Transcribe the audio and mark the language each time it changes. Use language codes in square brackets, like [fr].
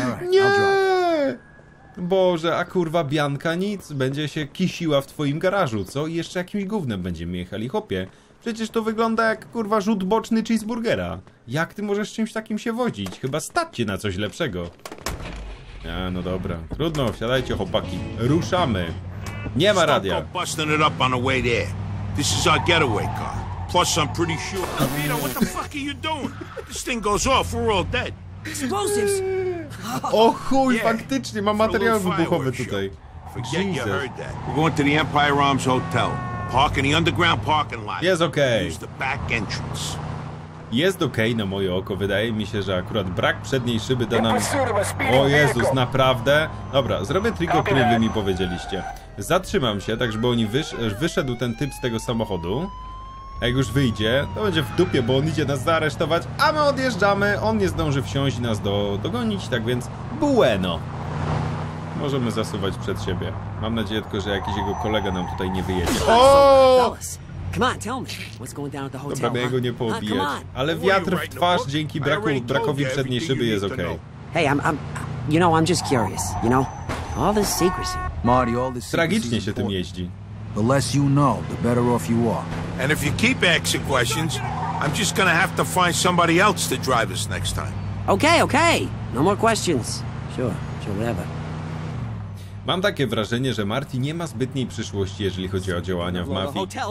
[pl] Nie! Boże, a kurwa Bianka nic, będzie się kisiła w twoim garażu, co? I jeszcze jakimś gównem będziemy jechali, chłopie. Przecież to wygląda jak, kurwa, rzut boczny cheeseburgera. Jak ty możesz czymś takim się wodzić? Chyba stać cię na coś lepszego. A, no dobra. Trudno, wsiadajcie, chłopaki. Ruszamy. Nie ma radia. [en] Stop busting it up on the way there. This is our getaway car. Plus, I'm pretty sure... Oh. Vito, what the fuck are you doing? This thing goes off, we're all dead. Explosives! [pl] O chuj, yeah. Faktycznie, mam materiał wybuchowy tutaj. [en] Forget you heard that. We're going to the Empire Arms Hotel. Park in the underground parking lot. [pl] Jest okej. [en] Use the back entrance. [pl] Jest okej, na moje oko. Wydaje mi się, że akurat brak przedniej szyby da nam... O Jezus, naprawdę? Dobra, zrobię trik, o którym wy mi powiedzieliście. Zatrzymam się, tak żeby oni wyszedł ten typ z tego samochodu. A jak już wyjdzie, to będzie w dupie, bo on idzie nas zaaresztować, a my odjeżdżamy, on nie zdąży wsiąść i nas dogonić, tak więc bueno. Możemy zasuwać przed siebie. Mam nadzieję tylko, że jakiś jego kolega nam tutaj nie wyjedzie. O! [en] Come on, tell me what's going down at the hotel. [pl] Dobra, miałem go nie poobijać. Ale wiatr w twarz dzięki brakowi przedniej szyby jest okej. [en] Hey, I'm just curious, you know? All this secrecy. Marty, all this secrecy. [pl] Tragicznie się tym jeździ. [en] The less you know, the better off you are. And if you keep asking questions, I'm just gonna have to find somebody else to drive us next time. Okay, okay. No more questions. Sure, whatever. [pl] Mam takie wrażenie, że Marty nie ma zbytniej przyszłości, jeżeli chodzi o działania w mafii.